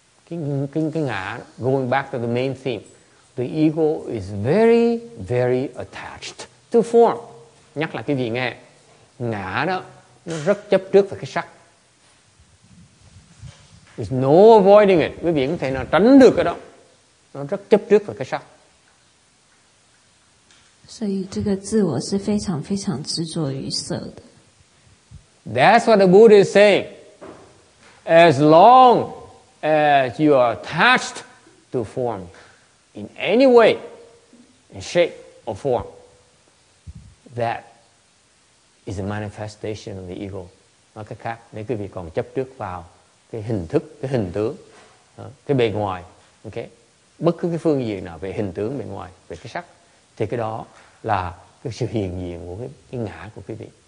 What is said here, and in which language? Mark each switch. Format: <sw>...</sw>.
<en>Cái ngã, going back to the main theme. The ego is very, very attached to form.</en> <vi>Nhắc là cái gì nghe? Ngã đó, nó rất chấp trước vào cái sắc.</vi> <en>There's no avoiding it.</en> <vi>Quý vị có thể nào tránh được cái đó. Nó rất chấp trước vào cái sắc.</vi> <zh>所以这个自我是非常非常执着于色的.</zh> <en>That's what the Buddha is saying. As long as you are attached to form in any way, in shape or form, that is a manifestation of the ego.</en> <vi>Nói cách khác, nếu quý vị còn chấp trước vào cái hình thức, cái hình tướng, cái bề ngoài, okay, bất cứ cái phương diện nào về hình tướng bề ngoài, về cái sắc, thì cái đó là cái sự hiện diện của cái ngã của quý vị.</vi>